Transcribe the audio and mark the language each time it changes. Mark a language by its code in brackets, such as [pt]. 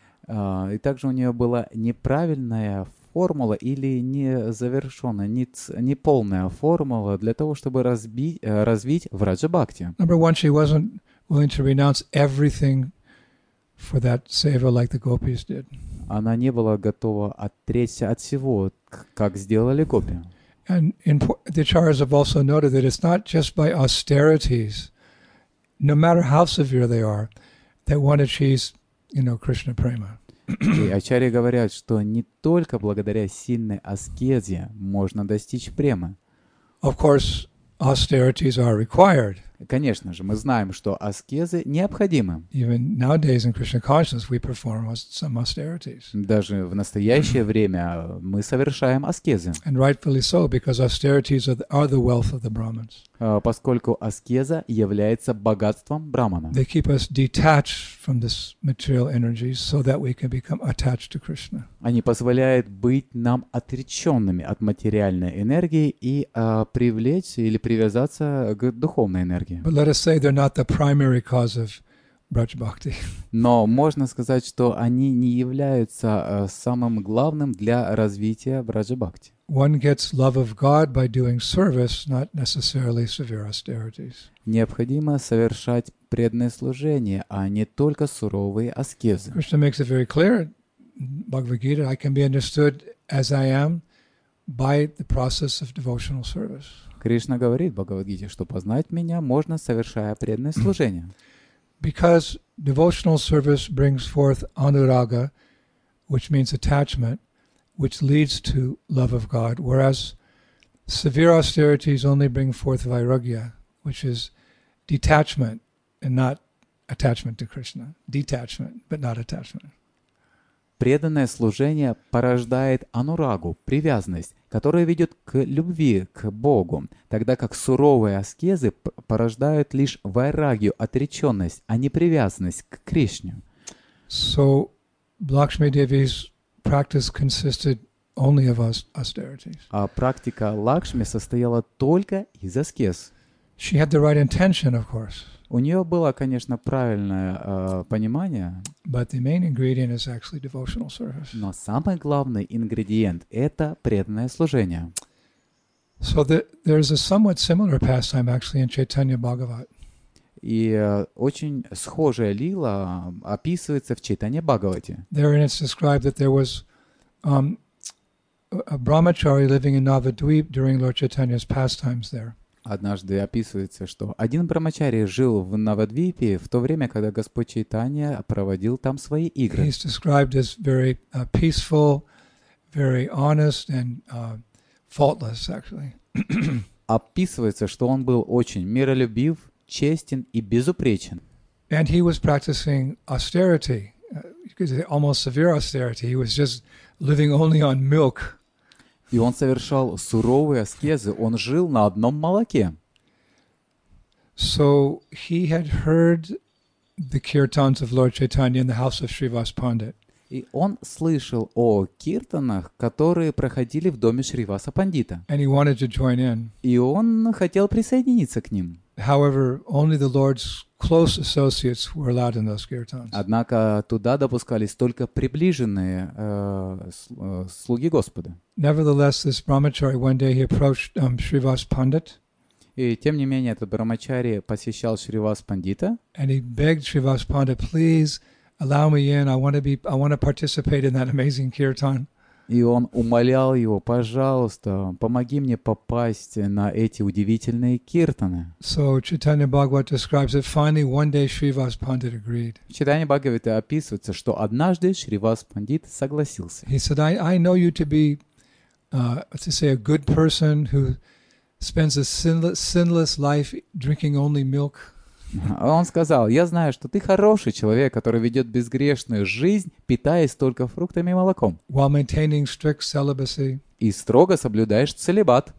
[ru] И также у нее была неправильная формула или не завершенная, не полная формула для того, чтобы развить в раджа-бхакти. [en] Number one, she wasn't willing to renounce everything for that seva, like the gopis did. [ru] Она не была готова отречься от всего, как сделали гопи. [en] And the acharyas have also noted that it's not just by austerities, no matter how severe they are, that one achieves, you know, Krishna prema. [ru] И ачарьи говорят, что не только благодаря сильной аскезе можно достичь премы. [en] Of course, austerities are required. [ru] Конечно же, мы знаем, что аскезы необходимы. [en] Even nowadays in Krishna consciousness we perform some austerities. [ru] Даже в настоящее время мы совершаем аскезы. [en] And rightfully so, because austerities are the wealth of the Brahmins. [ru] Поскольку аскеза является богатством брахмана. [en] They keep us detached from this material energy so that we can become attached to Krishna. [ru] Они позволяют быть нам отреченными от материальной энергии и привлечь или привязаться к духовной энергии. [en] But let us say they're not the primary cause of Braj Bhakti. [ru] Но можно сказать, что они не являются самым главным для развития Braj Bhakti. [en] One gets love of God by doing service, not necessarily severe austerities. [ru] Необходимо совершать преданное служение, а не только суровые аскезы. [en] Krishna makes it very clear in Bhagavad Gita, I can be understood as I am by the process of devotional service. [ru] Кришна говорит в Бхагавад-гите, что познать меня можно, совершая преданное служение. [en] Because devotional service brings forth anuraga, which means attachment, which leads to love of God, whereas severe austerities only bring forth vairagya, which is detachment and not attachment to Krishna. Detachment, but not attachment. [ru] Преданное служение порождает анурагу, привязанность, которая ведет к любви, к Богу, тогда как суровые аскезы порождают лишь вайрагью, отреченность, а не привязанность к Кришне. [en] So, Lakshmi Devi's practice consisted only of austerities. [ru] А практика Лакшми состояла только из аскез. [en] She had the right intention, of course. [ru] У нее было, конечно, правильное понимание. [en] But the main ingredient is actually devotional service. [ru] Но самый главный ингредиент — это преданное служение. [en] So there is a somewhat similar pastime actually in Chaitanya Bhagavat. [ru] И очень схожая лила описывается в Чайтанья Бхагавате. [en] Therein it's described that there was a brahmachari living in Navadvip during Lord Chaitanya's pastimes there. [ru] Однажды описывается, что один брахмачари жил в Навадвипе в то время, когда Господь Чайтанья проводил там свои игры. [en] He's described as very peaceful, very honest and faultless, actually. [ru] Описывается, что он был очень миролюбив, честен и безупречен. [en] And he was practicing austerity, almost severe austerity. He was just living only on milk. [ru] И он совершал суровые аскезы, он жил на одном молоке. [en] So he had heard the kirtans of Lord Chaitanya in the house of Srivas Pandit. [ru] И он слышал о киртанах, которые проходили в доме Шриваса Пандита. [en] And he wanted to join in. [ru] И он хотел присоединиться к ним. [en] However, only the Lord's close associates were allowed in those kirtans. [ru] Однако туда допускались только приближенные слуги Господа. [en] Nevertheless, this brahmachari one day he approached Srivas Pandit. [ru] И тем не менее этот брахмачари посещал Шривас Пандита. [en] And he begged Srivas Pandit, please allow me in. I want to participate in that amazing kirtan. [ru] И он умолял его: пожалуйста, помоги мне попасть на эти удивительные киртаны. [en] So Chaitanya Bhagavat describes that finally one day Srivas Pandit agreed. [ru] Chaitanya Bhagavat описывается, что однажды Шривас Пандит согласился. [en] He said, I know you to be a good person who spends a sinless life drinking only milk. [ru] Он сказал: я знаю, что ты хороший человек, который ведет безгрешную жизнь, питаясь только фруктами и молоком. [en] While maintaining strict celibacy. [ru] И строго соблюдаешь целибат.